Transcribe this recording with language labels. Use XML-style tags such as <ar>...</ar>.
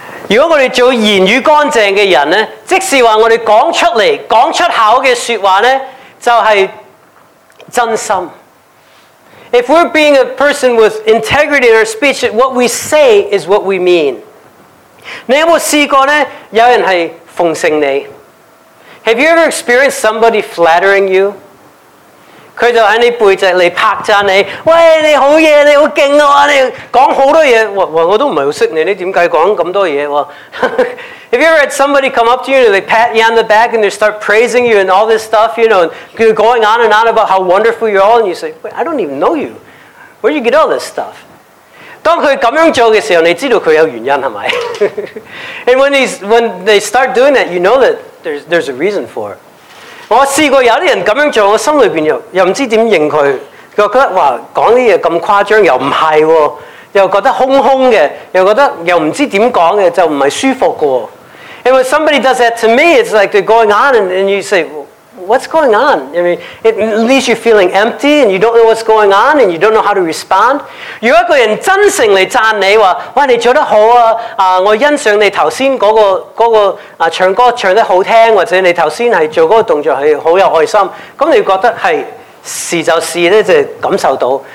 <zh>如果我们做言语干净的人呢，即是说我们讲出来讲出口的说话呢，就是真心。</zh> <en>If we're being a person with integrity in our speech, what we say is what we mean.</en> <zh>你有没有试过呢？有人是奉承你。</zh> <en>Have you ever experienced somebody flattering you?</en> <zh>他就在你背脊里拍赞你，喂，你好嘢，你好劲啊，你讲好多嘢。我都唔系好识你，你点解讲咁多嘢？</zh> <en>Have you ever had somebody come up to you and they pat you on the back and they start praising you and all this stuff, you know, and going on and on about how wonderful you are, and you say, wait, I don't even know you. Where do you get all this stuff?</en> <zh>当他这样做的时候，你知道他有原因，是吗？</zh> <en>And when they start doing that, you know that there's a reason for it.</en> <zh>我试过有些人这样做，我心里面又不知道怎么认他，觉得哇，讲这些这么夸张又不是哦。又觉得空空的，又觉得又不知道怎么说的，就不是舒服的。</zh> <en>And when somebody does that to me, it's like they're going on and you say, what's going on? I mean, it leaves you feeling empty and you don't know what's going on and you don't know how to respond.</en> <zh>如果一个人真诚来赞你，说，哇，你做得好啊，我欣赏你刚才那个唱歌唱得好听，或者你刚才是做那个动作是很有爱心，那你觉得是是就是咧，就感受到。</zh>